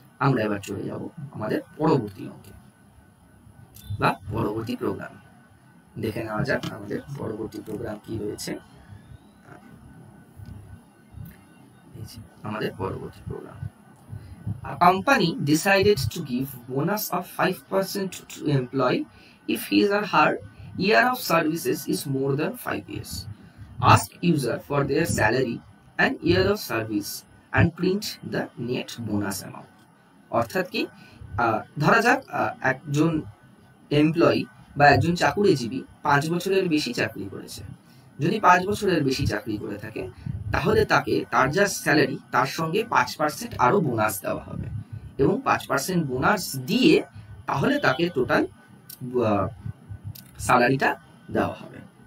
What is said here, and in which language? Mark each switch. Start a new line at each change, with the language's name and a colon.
Bangla: আমরা এবার চলে যাব আমাদের পরবর্তী অঙ্কে বা পরবর্তী প্রোগ্রাম, দেখে নেওয়া যাক আমাদের পরবর্তী প্রোগ্রাম কি রয়েছে। আমাদের পরবর্তী programme,
English: A company decided to give bonus of 5% to employee if his or her year of services is more than 5 years. Ask user for their salary and year of service and print the net bonus amount.
Bangla: অর্থাৎ কি, ধরা যাক একজন employee বা একজন চাকুরিজীবী 5 বছরের বেশি চাকরি করেছে, যদি 5 বছরের বেশি চাকরি করে থাকে তাহলে তাকে তার যা স্যালারি তার সঙ্গে 5% আরও বোনাস দেওয়া হবে, এবং 5% বোনাস দিয়ে তাহলে তাকে টোটাল স্যালারিটা দেওয়া হবে।